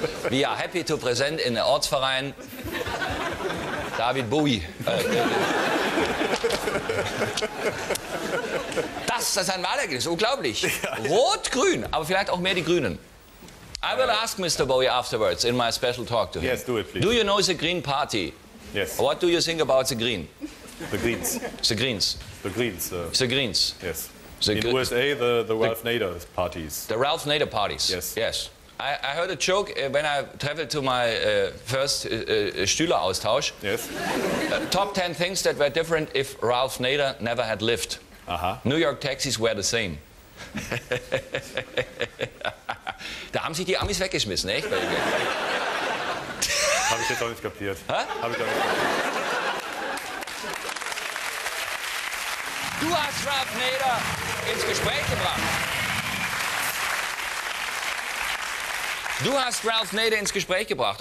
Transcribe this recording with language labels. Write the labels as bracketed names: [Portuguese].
[English] We are happy to present [German] in der Ortsverein. [English] David Bowie. [German] Das ist ein Wahlergebnis, unglaublich. Rot-Grün, aber vielleicht auch mehr die Grünen. [English] I will ask Mr. Bowie afterwards in my special talk to him. Yes, do it, please. Do you know the Green Party? Yes. What do you think about the Green? The Greens. The Greens. The Greens. The Greens. Yes. In USA, the Ralph Nader parties. The Ralph Nader parties. Yes. Yes. I heard a joke when I traveled to my first Stühleaustausch. Yes. Top 10 things that were different if Ralph Nader never had lived. Aha. New York taxis were the same. [German] Da haben sich die Amis weggeschmissen, echt? Hab ich jetzt auch nicht kapiert. Hä? Hab ich auch nicht kapiert. Du hast Ralph Nader ins Gespräch gebracht. Du hast Ralph Nader ins Gespräch gebracht.